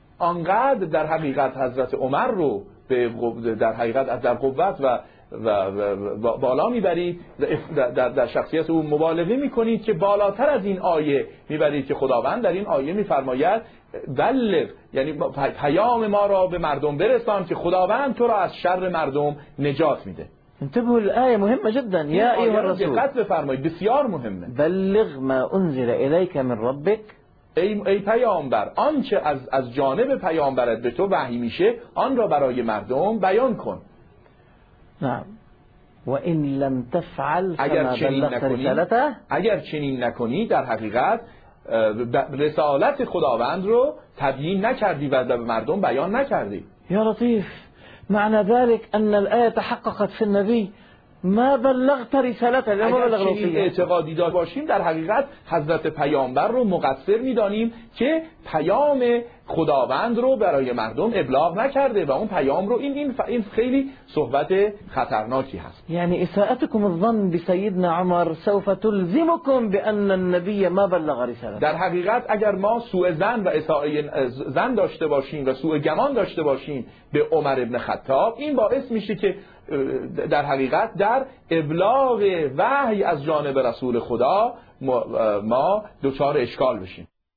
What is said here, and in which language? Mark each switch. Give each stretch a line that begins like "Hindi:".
Persian: انقدر در حقیقت حضرت عمر رو به در حقیقت از در قوت و بالا میبرید، در شخصیت او مبالغه میکنید که بالاتر از این آیه میبرید که خداوند در این آیه میفرماید بلغ، یعنی پیام ما را به مردم برسان که خداوند تو را از شر مردم نجات میده.
Arabic: انتبهوا الآية مهمة جدا، يا أيها الرسول
Persian: دقت بفرمایید، بسیار مهمه.
Arabic: بلغ ما أنزل إليك من ربك،
Persian: ای پیامبر، آنچه از جانب پیامبرت به تو وحی میشه آن را برای مردم بیان کن.
Arabic: نعم، و ان لم تفعل
Persian: اگر چنین نکنی، اگر چنین نکنی در حقیقت رسالت خداوند رو تبیین نکردی و به مردم بیان نکردی.
Arabic: یا لطیف، معنى ذلك ان الايه تحققت في النبي، ما بلغت رسالته لم بلغ رسالته.
Persian: اعتقادی دار باشیم در حقیقت حضرت پیامبر رو مقصر میدانیم که پیام خداوند رو برای مردم ابلاغ نکرده و اون پیام رو این خیلی صحبت خطرناکی هست.
Arabic: یعنی اساءتكم الظن بسيدنا عمر سوف تلزمكم بان النبي ما بلغ رسالته.
Persian: در حقیقت اگر ما سوء ظن و اساءه ظن داشته باشیم و سوء گمان داشته باشیم به عمر ابن خطاب، این باعث میشه که در حقیقت در ابلاغ وحی از جانب رسول خدا ما دچار اشکال بشیم.